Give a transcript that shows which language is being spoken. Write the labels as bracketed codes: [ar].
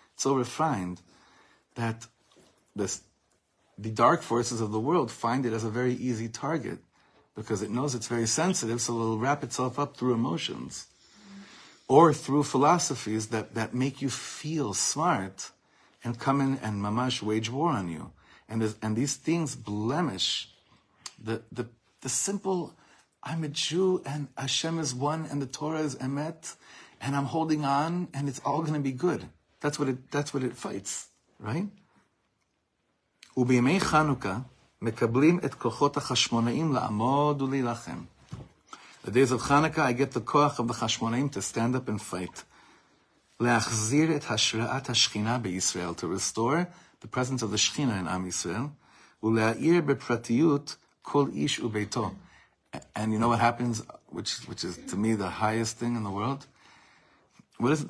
[en] So refined that the dark forces of the world find it as a very easy target, because it knows it's very sensitive, so it'll wrap itself up through emotions or through philosophies that make you feel smart and come in and mamash wage war on you. And these things blemish the simple, I'm a Jew and Hashem is one and the Torah is emet and I'm holding on and it's all going to be good. That's what it fights, right? [he] ובימי חנוכה מקבלים את כוחות החשמונאים לעמוד ולהילחם. [en] The days of Chanukah, I get the koach of the chashmonaim to stand up and fight. [he] להחזיר את השראת השכינה בישראל, [en] to restore the presence of the Shechina in Am Yisrael, [he] ולהאיר בפרטיות כל איש וביתו. [en] And you know what happens, which is to me the highest thing in the world? What is it?